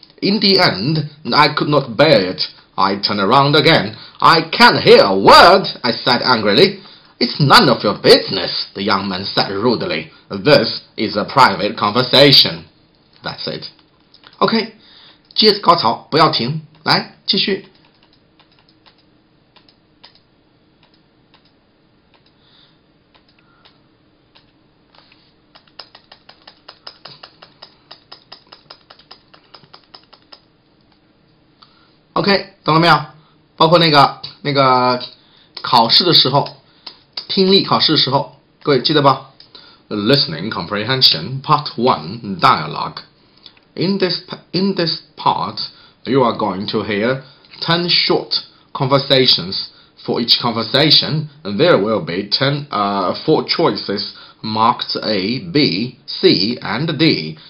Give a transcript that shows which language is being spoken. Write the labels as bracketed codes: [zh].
[en] In the end, I could not bear it. I turned around again. I can't hear a word, I said angrily. It's none of your business, the young man said rudely. This is a private conversation. That's it. [zh] OK, 接着高潮，不要停，来，继续。 OK,懂了没有？包括那个考试的时候，听力考试的时候，各位记得吧 [en] ？Listening comprehension part one dialogue. In this part, you are going to hear 10 short conversations. For each conversation, there will be 4 choices marked A, B, C, and D.